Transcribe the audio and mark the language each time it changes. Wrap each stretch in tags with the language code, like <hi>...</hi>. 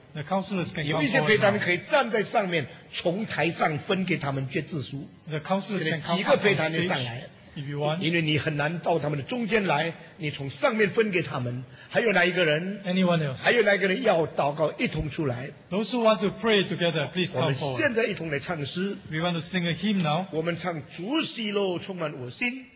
<en>The counselors can come forward.</en> <zh>有一些陪谈员可以站在上面，从台上分给他们决志书。</zh> <en>The counselors can come up on stage.</en> <zh>几个陪谈员上来。</zh> <en>If you want.</en> <zh>因为你很难到他们的中间来，你从上面分给他们。还有哪一个人？</zh> <en>Anyone else?</en> <zh>还有哪一个人要祷告一同出来？</zh> <en>Those who want to pray together, please come forward.</en> <zh>我们现在一同来唱诗。</zh> <en>We want to sing a hymn now.</en> <zh>我们唱主喜乐充满我心。</zh>